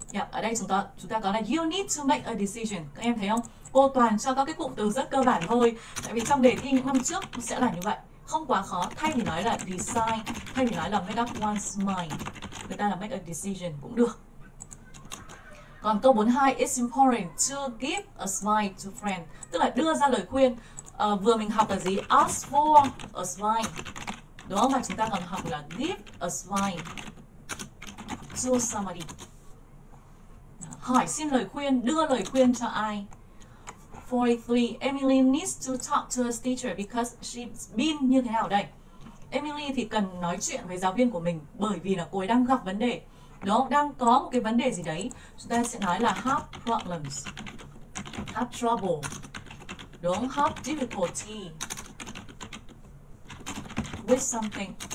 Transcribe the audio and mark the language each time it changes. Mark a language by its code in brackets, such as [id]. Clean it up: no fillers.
[vi] Ở đây chúng ta có là [en] you need to make a decision. [vi] Các em thấy không? Cô toàn cho các cái cụm từ rất cơ bản thôi. Tại vì trong đề thi những năm trước sẽ là như vậy. Không quá khó, thay vì nói là decide, thay vì nói là [en] make up one's mind, [vi] người ta là [en] make a decision [vi] cũng được. Còn câu [en] 42, it's important to give a smile to friend. [vi] Tức là đưa ra lời khuyên. Vừa mình học là gì? [en] Ask for a smile. [vi] Đúng không? Và chúng ta còn học là [en] give a smile to somebody. [vi] Hỏi xin lời khuyên, đưa lời khuyên cho ai? [en] 43, Emily needs to talk to her teacher because she's been [vi] như thế nào đây? Emily thì cần nói chuyện với giáo viên của mình bởi vì là cô ấy đang gặp vấn đề. Đúng không? Đang có một cái vấn đề gì đấy. Chúng ta sẽ nói là [en] have problems, have trouble. [vi] Đúng không? [en] Have difficulty with something.